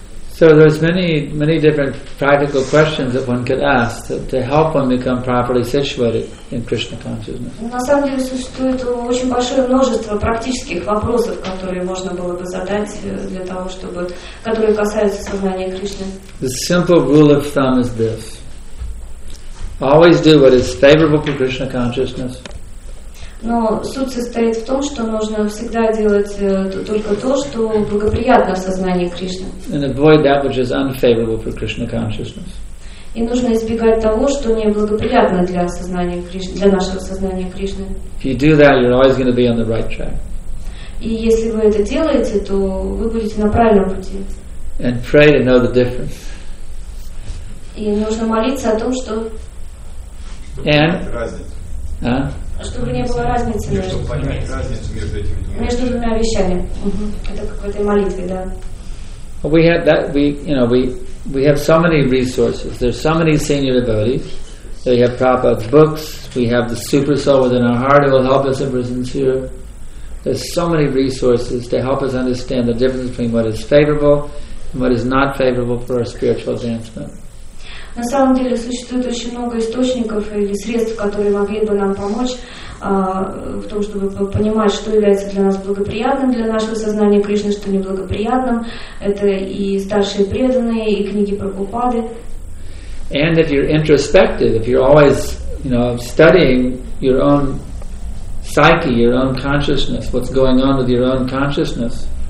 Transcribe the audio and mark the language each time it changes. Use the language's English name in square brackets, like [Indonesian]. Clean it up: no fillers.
[English] So there's many different practical questions that one could ask to help one become properly situated in Krishna consciousness. [Russian] На самом деле существует очень большое множество практических вопросов, которые можно было бы задать для того, чтобы, которые касаются сознания Кришны. [English] The simple rule of thumb is this. Always do what is favorable for Krishna consciousness. [Russian] Но суть состоит в том, что нужно всегда делать только то, что благоприятно сознанию Кришны. [English] And avoid that which is unfavorable for Krishna consciousness. [Russian] И нужно избегать того, что неблагоприятно для сознания Кришны, для нашего сознания Кришны. [English] If you do that, you're always going to be on the right track. [Russian] И если вы это делаете, то вы будете на правильном пути. [English] And pray to know the difference. [Russian] И нужно молиться о том, что [English] And, [Russian] чтобы не было разницы между двумя вещами. Это какой-то молитвой, да. [English] We have so many resources. There's so many senior devotees. We have Prabhupada's books. We have the super soul within our heart. It will help us if we're sincere. There's so many resources to help us understand the difference between what is favorable and what is not favorable for our spiritual advancement. [Russian] На самом деле существует очень много источников или средств, которые могли бы нам помочь в том, чтобы понимать, что является для нас благоприятным для нашего сознания Кришны, что неблагоприятным. Это и старшие преданные, и книги Прабхупады. [English] And if you're introspective, if you're always, you know, studying your own psyche, your own consciousness, what's going on with your own consciousness.